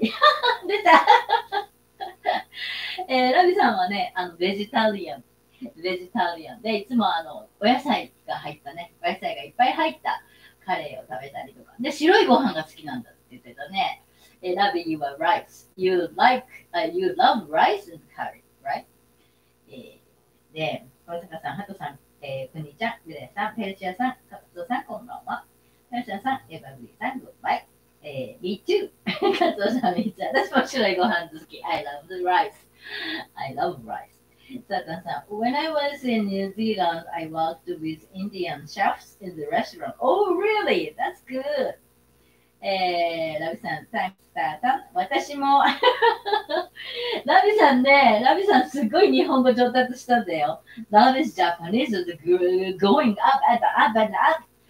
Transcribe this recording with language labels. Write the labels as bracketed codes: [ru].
[ja] 出た、ラビさんはね、ベジタリアン。ベジタリアン。で、いつもお野菜が入ったね、お野菜がいっぱい入ったカレーを食べたりとか。で、白いご飯が好きなんだって言ってたね。 [en] ラビ、you are rice. You like,、you love rice and curry, right? [ja] で、小坂さん、ハトさん。クニちゃん、グレイさん、ペルシアさん、カツオさん、こんばんは。ペルシアさん、エヴァグリーさん、グッバイ。 [en] Me too! [ja] カツオさん、みーちゃん、私も白いご飯好き。 [en] I love the rice. I love rice. サタンさん、When I was in New Zealand, I worked with Indian chefs in the restaurant. Oh, really? That's good! [ja] ラビさん、タイムスタート。私も、ラビさんね、ラビさんすごい日本語上達したんだよ。 [en] Love is Japanese is going up and up and up.